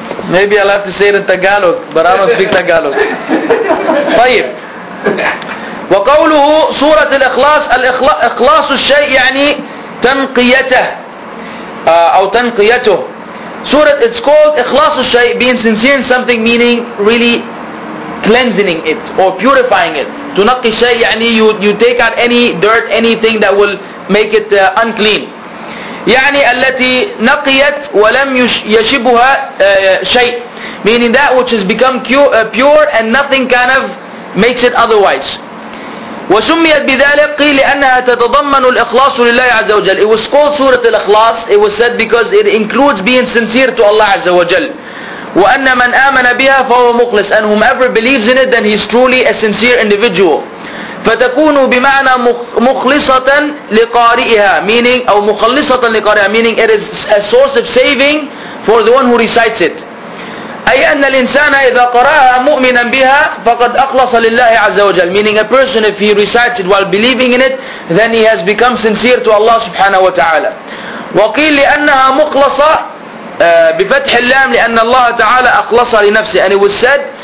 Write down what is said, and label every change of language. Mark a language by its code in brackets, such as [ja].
[en] Maybe I'll have to say it in Tagalog, but I don't speak Tagalog. [ar] طيب. وقوله سورة الإخلاص, الإخلاص الشيء يعني تنقيته أو تنقيته. [en] Surah, it's called ikhlas al-shay, being sincere in something, meaning really cleansing it or purifying it. Tunaqqi shay, يعني you take out any dirt, anything that will make it unclean. يعني [ar] التي نقيت ولم يشبها شيء, [en] meaning that which has become pure and nothing kind of makes it otherwise. [ar] وسميت بذلك قيل لأنها تتضمن الإخلاص لله عز وجل. [en] It was called سورة الإخلاص. It was said because it includes being sincere to Allah عز وجل. [ar] وأن من آمن بها فهو مخلص. [en] And whomever believes in it, then he is truly a sincere individual. [ar] فتكون بمعنى مخلصة لقارئها, [en] meaning [ar] أو مخلصة لقارئها, [en] meaning it is a source of saving for the one who recites it. [ar] أي أن الإنسان إذا قرأها مؤمنا بها فقد أخلص لله عز وجل. [en] Meaning a person, if he recites it while believing in it, then he has become sincere to Allah سبحانه وتعالى. [ar] وقيل لأنها مخلصة بفتح اللام لأن الله تعالى أخلص لنفسه. [en] And it was said